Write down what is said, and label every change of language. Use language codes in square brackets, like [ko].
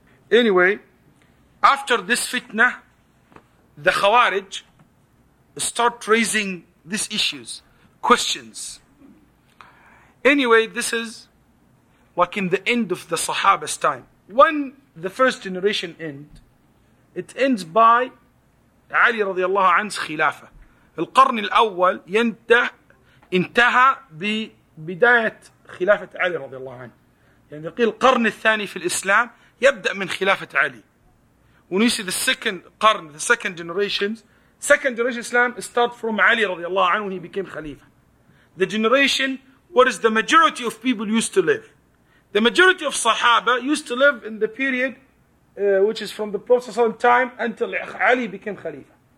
[en] Anyway, after this fitna, the Khawarij start raising these issues, questions. Anyway, this is like in the end of the Sahaba's time. When the first generation end, it ends by Ali radiallahu anhu's khilafah. [ar] القرن الأول انتهى ببداية خلافة علي رضي الله عنه. يعني يقول القرن الثاني في الإسلام يبدأ من خلافة علي. [en] When you see the second قرن, the second generation, second generation Islam start from علي رضي الله عنه when he became خليفة. The generation where is the majority of people used to live. The majority of Sahaba used to live in the period which is from the Prophet's own time until علي became خليفة.